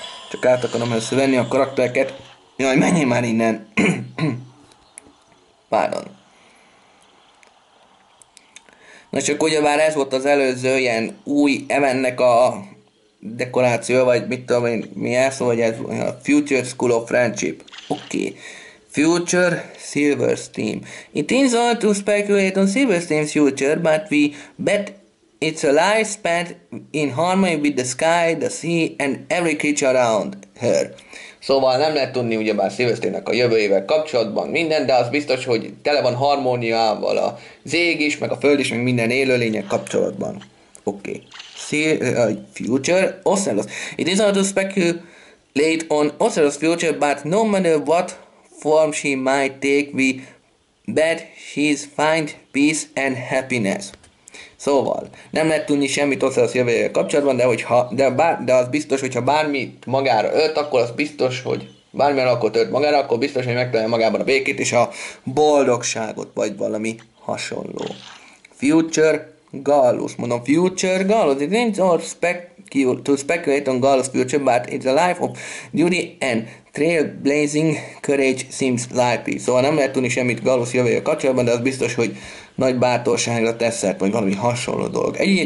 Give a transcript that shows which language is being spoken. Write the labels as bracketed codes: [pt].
[hu] Csak át akarom először venni a karaktereket. Jaj, menjél már innen. Pardon. Na csak ugyebár ez volt az előző ilyen új eventnek a dekoráció, vagy mit tudom én, mi ez, vagy ez a Future School of Friendship. Oké. Future Silverstein. [en] It is hard to speculate on Silverstein's future, but we bet it's a life spent in harmony with the sky, the sea and every creature around her. [hu] Szóval nem lehet tudni ugyebár Silversteinnek a jövőjével kapcsolatban minden, de az biztos, hogy tele van harmóniával a ég is, meg a föld is, meg minden élőlények kapcsolatban. Oké. Future Ocelos. [en] It is hard to speculate on Ocelos' future, but no matter what form she might take, we bet she's find peace and happiness. [hu] Szóval, nem lehet tudni semmit Ocelos jövőjével kapcsolatban, de, hogyha, de az biztos, hogyha bármit magára ölt, akkor az biztos, hogy bármilyen alkot ölt magára, akkor biztos, hogy megtalálja magában a békét és a boldogságot, vagy valami hasonló. Future Gallus, mondom, Future Gallus. [en] It ain't all to speculate on Gallus' future, but it's a life of duty and trailblazing courage seems likely. [hu] Szóval nem lehet tudni semmit Gallus jövője kapcsolatban, de az biztos, hogy nagy bátorságra teszett, vagy valami hasonló dolog.